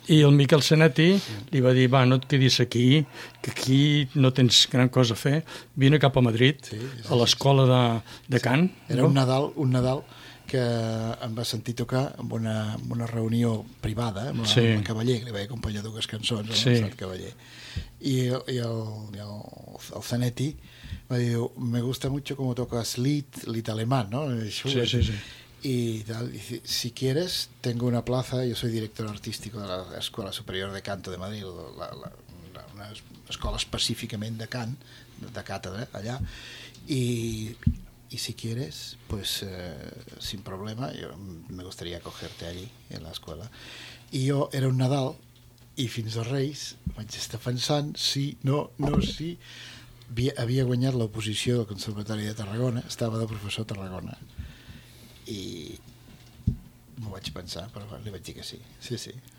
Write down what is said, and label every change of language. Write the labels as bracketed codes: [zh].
[ca] I el Miquel Senetti li va dir, va, no et quedis aquí, que aquí no tens gran cosa a fer, vine cap a Madrid, a l'escola de Cant. Era un Nadal que em va sentir tocar en una reunió privada amb el, sí, amb el Cavaller, que li vaig acompanyar dues cançons, sí, amb el Cavaller. I el Zanetti va dir, [es] me gusta mucho como tocas lit alemán, no? Sí. Y tal, y si quieres, tengo una plaza, yo soy director artístico de la Escuela Superior de Canto de Madrid, [ca] una escola específicament de cant, de càtedra, allà, [es] y si quieres, pues sin problema, yo me gustaría cogerte allí, en la escuela. Y yo era un Nadal, y [ca] fins a Reis, vaig estar pensant, sí, no, sí, havia guanyat l'oposició del Conservatori de Tarragona, estava de professor a Tarragona, i m'ho vaig pensar, però li vaig dir que sí. Sí.